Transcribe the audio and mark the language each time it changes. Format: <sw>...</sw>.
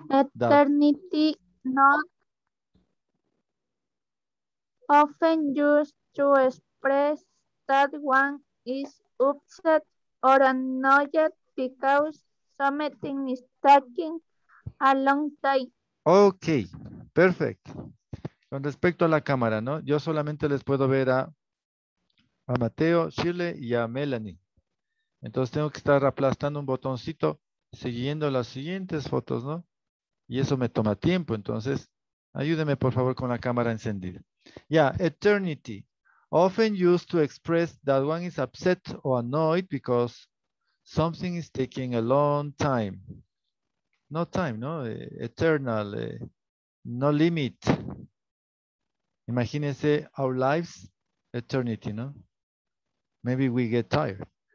<en>eternity, not often used to express that one is upset or annoyed because something is taking a long time. Okay, perfect.</en> <es>Con respecto a la cámara, ¿no? Yo solamente les puedo ver a Mateo, Shirley y a Melanie. Entonces tengo que estar aplastando un botoncito, siguiendo las siguientes fotos, ¿no? Y eso me toma tiempo. Entonces, ayúdeme por favor con la cámara encendida.</es> <en>Ya, yeah, eternity. Often used to express that one is upset or annoyed because something is taking a long time. No time, ¿no? Eternal, no limit.</en> <es>Imagínense</es> <en>our lives, eternity, ¿no? Maybe we get tired.</en>